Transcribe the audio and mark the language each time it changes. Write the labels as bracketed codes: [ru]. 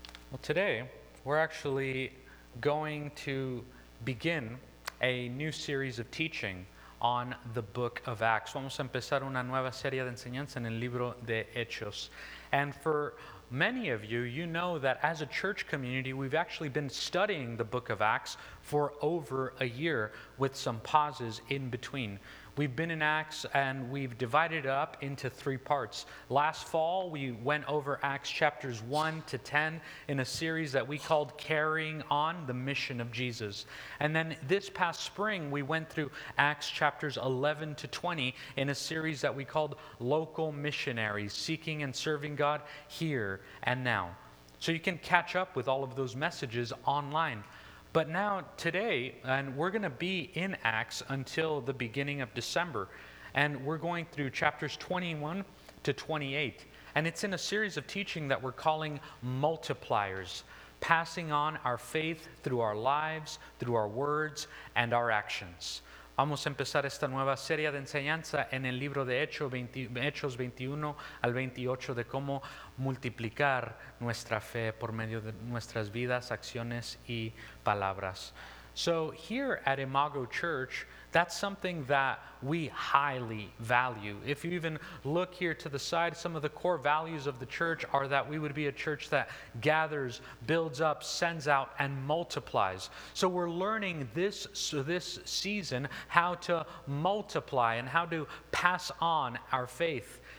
[en] Well, today we're actually going to begin a new series of teaching on the book of Acts. [es] Vamos a empezar una nueva serie de enseñanza en el libro de Hechos. [en] And for many of you, you know that as a church community, we've actually been studying the book of Acts for over a year with some pauses in between. We've been in Acts and we've divided it up into three parts. Last fall, we went over Acts chapters 1 to 10 in a series that we called Carrying On the Mission of Jesus. And then this past spring, we went through Acts chapters 11 to 20 in a series that we called Local Missionaries, Seeking and Serving God Here and Now. So you can catch up with all of those messages online. But now, today, and we're going to be in Acts until the beginning of December, and we're going through chapters 21 to 28, and it's in a series of teaching that we're calling multipliers, passing on our faith through our lives, through our words, and our actions. [es] Vamos a empezar esta nueva serie de enseñanza en el libro de Hechos 21 al 28 de cómo multiplicar nuestra fe por medio de nuestras vidas, acciones y palabras. [en] So here at Imago Church, that's something that we highly value. If you even look here to the side, some of the core values of the church are that we would be a church that gathers, builds up, sends out, and multiplies. So we're learning this season how to multiply and how to pass on our faith.